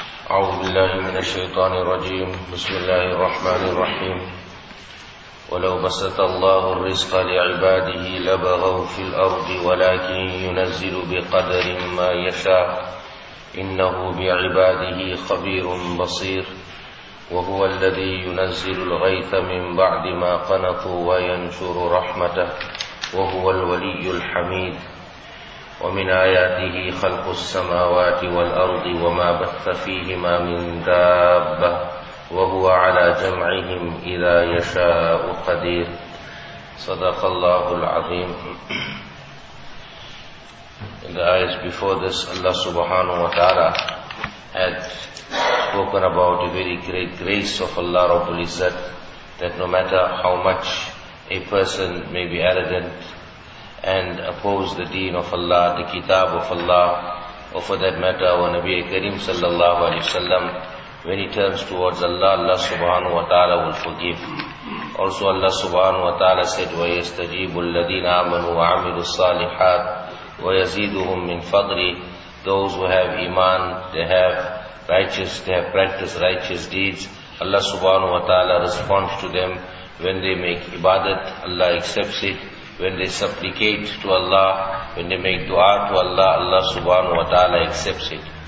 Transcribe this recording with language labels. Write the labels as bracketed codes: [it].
[ar] أعوذ بالله من الشيطان الرجيم بسم الله الرحمن الرحيم ولو بسط الله الرزق لعباده لبغوا في الأرض ولكن ينزل بقدر ما يشاء إنه بعباده خبير بصير وهو الذي ينزل الغيث من بعد ما قنطوا وينشر رحمته وهو الولي الحميد ومن آياته خلق السماوات والأرض وما بث فيهما من دابة وهو على جمعهم إذا يشاء قدير صدق الله العظيم. [en] In the ayahs before this, Allah subhanahu wa ta'ala had spoken about a very great grace of Allah Rabbul Izzat, that no matter how much a person may be arrogant and oppose the deen of Allah, the kitab of Allah, or for that matter our Nabi Kareem sallallahu alayhi wa sallam, when he turns towards Allah, Allah subhanahu wa ta'ala will forgive. Also Allah subhanahu wa ta'ala said, [ar] وَيَسْتَجِيبُ الَّذِينَ آمَنُوا وَعَمِلُوا الصَّالِحَاتِ وَيَزِيدُهُمْ مِنْ فَضْلِ. [en] Those who have iman, they have practiced righteous deeds, Allah subhanahu wa ta'ala responds to them. When they make ibadat, Allah accepts it. When they supplicate to Allah, when they make dua to Allah, Allah subhanahu wa ta'ala accepts it.